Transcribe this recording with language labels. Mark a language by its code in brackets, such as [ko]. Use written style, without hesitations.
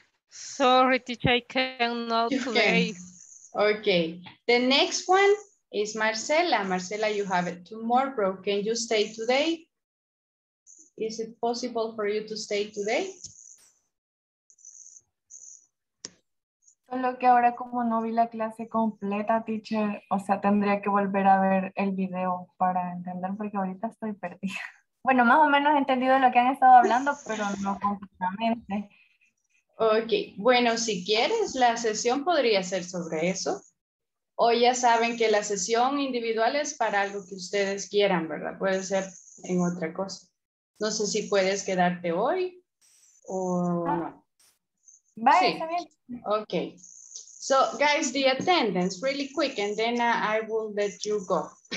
[en] Sorry, teacher, I cannot today. Okay. The next one is Marcela. Marcela, you have it tomorrow. Can you stay today? Is it possible for you to stay today? [es] Solo que ahora como no vi la clase completa, teacher, o sea, tendría que volver a ver el video para entender porque ahorita estoy perdida. Bueno, más o menos he entendido lo que han estado hablando, pero no completamente. Ok, bueno, si quieres, la sesión podría ser sobre eso. O ya saben que la sesión individual es para algo que ustedes quieran, ¿verdad? Puede ser en otra cosa. No sé si puedes quedarte hoy o no. [en] Bye, [es] sí. Okay. [en] So, guys, the attendance really quick and then I will let you go.